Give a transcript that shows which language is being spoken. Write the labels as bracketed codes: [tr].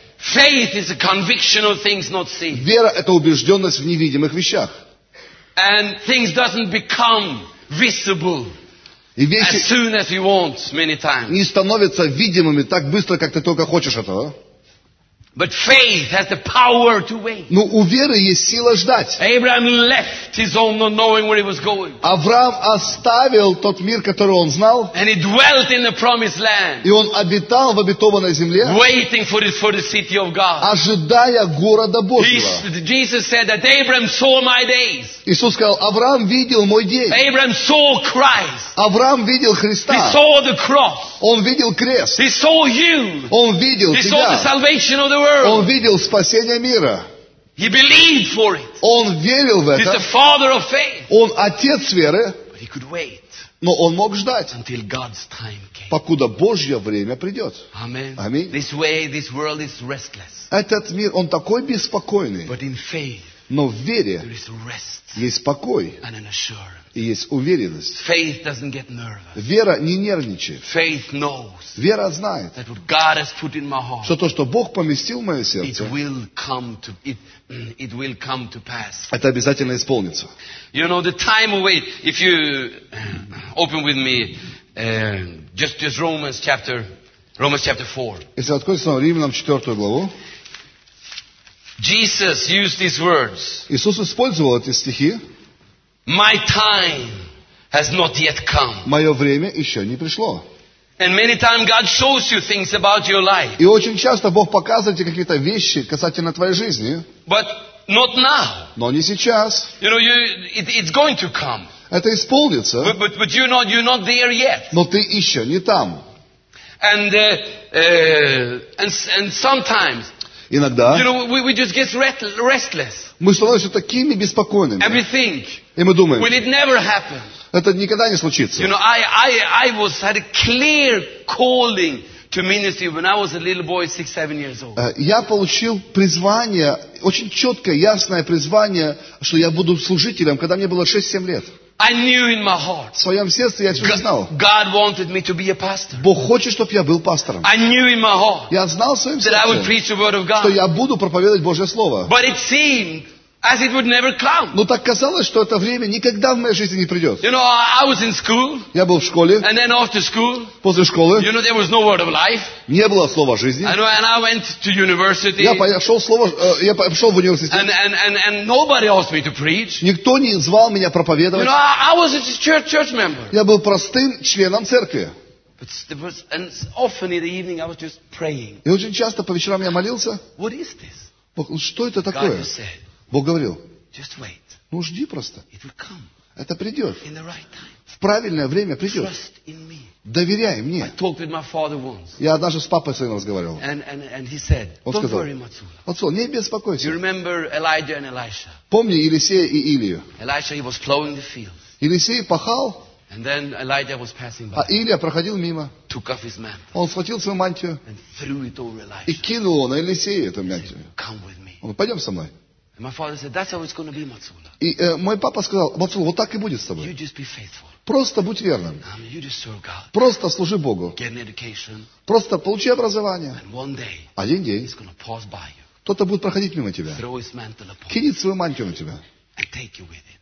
[en] Faith is a conviction of things not seen. [ru] Вера – это убежденность в невидимых вещах. [en] And things doesn't become visible. [ru] И вещи [en] as soon as you want, many times. [ru] Не становятся видимыми так быстро, как ты только хочешь этого. [en] But faith has the power to wait. [ru] Но у веры есть сила ждать. [en] Abraham left his home not knowing where he was going. [ru] Авраам оставил тот мир, который он знал. [en] And he dwelt in the promised land. [ru] И он обитал в обетованной земле. [en] Waiting for the city of God. [ru] Ожидая города Божьего. [en] Jesus said that Abraham saw my days. [ru] Иисус сказал, Авраам видел мой день. [en] Abraham saw Christ. [ru] Авраам видел Христа. [en] He saw the cross. [ru] Он видел крест. [en] He saw you. [ru] Он видел [en] he [ru] тебя. [en] Saw the salvation of the world. [ru] Он видел спасение мира. [en] He believed for it. [ru] Он верил в [en] He's [ru] это. [en] The father of faith. [ru] Он отец веры. [en] But he could wait. [ru] Но он мог ждать. [en] Until God's time came. [ru] Покуда Божье время придет. [en] Amen. [ru] Аминь. [en] This way, this world is restless. [ru] Этот мир, он такой беспокойный. [en] But in faith, [ru] но в вере [en] there is rest [ru] есть покой. [en] And an assurance. [ru] И есть уверенность. [en] Faith doesn't get nervous. [ru] Вера не нервничает. [en] Faith knows, [ru] вера знает, [en] that what God has put in my heart, [ru] что то, что Бог поместил в мое сердце, [en] it will come to, it will come to pass. [ru] Это обязательно исполнится. [en] You know, the time of wait, if you open with me, just Romans chapter 4. [ru] Если откроете снова Римлянам 4 главу, [en] Jesus used these words. [ru] Иисус использовал эти стихи. [en] My time has not yet come. [ru] Мое время еще не пришло. [en] And many times God shows you things about your life. [ru] И очень часто Бог показывает тебе какие-то вещи касательно твоей жизни. [en] But not now. [ru] Но не сейчас. [en] You know, it's going to come. [ru] Это исполнится. [en] But you're not there yet. [ru] Но ты еще не там. [en] And sometimes. [ru] Иногда. [en] You know, we just get restless. [ru] Мы становимся такими беспокойными. [en] Everything. [ru] И мы думаем. [en] Will it never happen? [ru] Это никогда не случится. [en] You know, I was had a clear calling to ministry when I was a little boy, 6-7 years old. [ru] Я получил призвание, очень четкое, ясное призвание, что я буду служителем, когда мне было 6-7 лет. [en] I knew in my heart. [ru] В своем сердце я все знал. [en] God wanted me to be a pastor. [ru] Бог хочет, чтобы я был пастором. [en] I knew in my heart. [ru] Я знал в своем [en] сердце, that I would preach the word of God. [ru] Что я буду проповедовать Божье слово. [en] But it seemed as it would never come. [ru] Но так казалось, что это время никогда в моей жизни не придет. [en] You know, I was in school. [ru] Я был в школе. [en] And then after school. [ru] После школы. [en] You know, there was no word of life. [ru] Не было слова жизни. [en] And I went to university. [ru] Я пошел в университет. [en] And nobody asked me to preach. [ru] Никто не звал меня проповедовать. [en] You know, I was a church member. [ru] Я был простым членом церкви. [en] But there was, and often in the evening I was just praying. [ru] И очень часто по вечерам я молился. [en] What is this? [ru] Что это такое? [en] God said. [ru] Бог говорил, [en] just wait. [ru] Ну жди просто. [en] It will come. [ru] Это придет. [en] In the right time. [ru] В правильное время придет. [en] Trust in me. [ru] Доверяй мне. [en] I talked with my father once. [ru] Я однажды с папой своим разговаривал. [en] And he said, [ru] он [en] don't [ru] сказал, [en] worry, Matsula. [ru] Отцу, не беспокойся. [en] You remember Elijah and Elisha? [ru] Помни Елисея и Илию. [en] Elisha, he was plowing the field. [ru] Елисей пахал. [en] And then Elijah was passing by. [ru] А Илия проходил мимо. [en] Took off his mantle. [ru] Он схватил свою мантию. [en] And threw it over Elisha. [ru] И кинул на Елисея эту мантию. [en] Said, come with me. [ru] Он, пойдем со мной. [en] And my father said, "That's how it's going to be, Matsula." [ru] И мой папа сказал, Матсула, вот так и будет с тобой. [en] You just be faithful. [ru] Просто будь верным. [en] You just serve God. [ru] Просто служи Богу. [en] Get an education. [ru] Просто получи образование. [en] And one day, [ru] один день, [en] he's going to pass by you. [ru] Кто-то будет проходить мимо тебя. [en] Throw his mantle upon. [ru] Кинет свою мантию на тебя. [en] And take you with it.